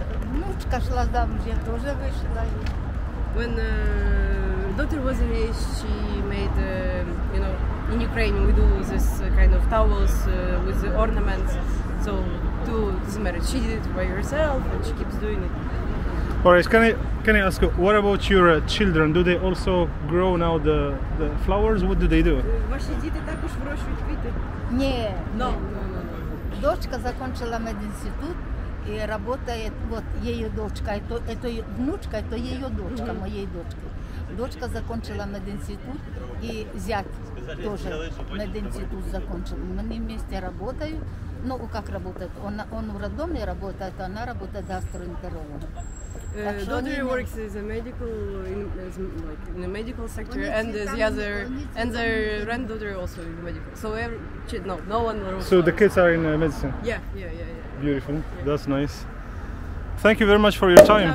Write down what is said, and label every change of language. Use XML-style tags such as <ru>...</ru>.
<uk>Внучка шла замуж, я теж вишила.</uk> <en>When daughter was in age, she made, you know, in Ukraine we do this kind of towels with the ornaments. So to this marriage, she did it by herself and she keeps doing it. Alright, can I ask you, what about your children? Do they also grow now the flowers? What do they do?</en> <uk>Ваші діти також вирощують квіти? Ні.</uk> <en>No.</en> <uk>Дочка закінчила медінститут і працює, от її дочка, це внучка, це її дочка, моєї дочки. Дочка закінчила медінститут і зять теж медінститут закінчив. Вони вместе працюють. Ну, як працюють? Он в роддомі працює, а вона працює гастроентерологом.</uk> <en>Daughter works as a medical in the medical sector, and the other and their granddaughter also in the medical. So no one. Works. So the kids are in medicine. Yeah. Beautiful. Yeah. That's nice. Thank you very much for your time.</en>